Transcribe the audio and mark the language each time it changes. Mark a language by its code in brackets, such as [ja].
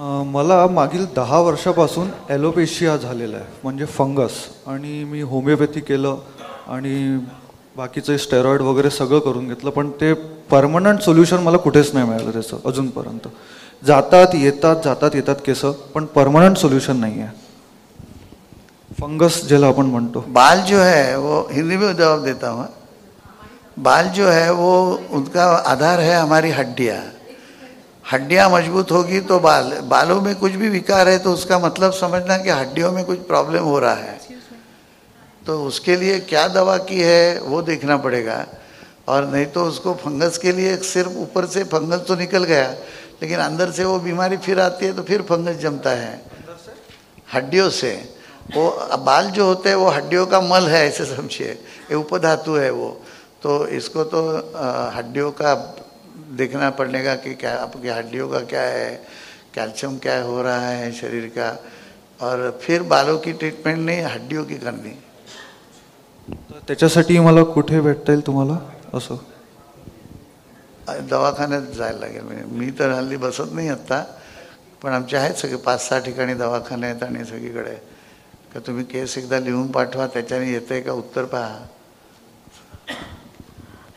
[mr] मला मागील 10 ॲलोपेशिया झालेला आहे, म्हणजे फंगस. आणि मी होमिओपॅथी केलं आणि बाकीचे स्टेरॉइड वगैरे सगळं करून घेतलं, पण ते परमनंट सोल्युशन मला कुठेच नाही मिळालं त्याचं अजूनपर्यंत. जातात येतात, जातात येतात केस, पण परमनंट सोल्युशन नाही आहे. फंगस ज्याला आपण म्हणतो, [hi] बाल जो है वो, हिंदी में जवाब देता हूं, बाल जो है वो उनका आधार है हमारी हड्डिया. हड्डिया मजबूत होगी तो बाल, बालों में कुछ भी विकार है तो उसका मतलब समझना कि हड्डियों में कुछ प्रॉब्लम हो रहा है. तो उसके लिए क्या दवा की है वो देखना पड़ेगा. और नहीं तो उसको फंगस के लिए सिर्फ ऊपर से फंगस तो निकल गया लेकिन अंदर से वो बीमारी फिर आती है तो फिर फंगस जमता है. हड्डियों से वो बाल जो होते हैं वो हड्डियों का मल है ऐसे समझिए, ये उपधातु है वो, तो इसको तो हड्डियों का देखना पड़ेगा कि क्या आपके हड्डियों का क्या है, कैल्शियम क्या हो रहा है शरीर का, और फिर बालों की ट्रीटमेंट नहीं हड्डियों की करनी। [mr] तो त्याच्यासाठी मला कुठे भेटतील तुम्हाला असो? दवाखान्यात जायला लागेल, मी तर हल्ली बसत नाही आत्ता, पण आमचे आहेत सगळे 5-6 ठिकाणी दवाखाने आहेत आणि सगळीकडे, का तुम्ही केस एकदा लिहून पाठवा, त्याच्याने येतं आहे का उत्तर पहा।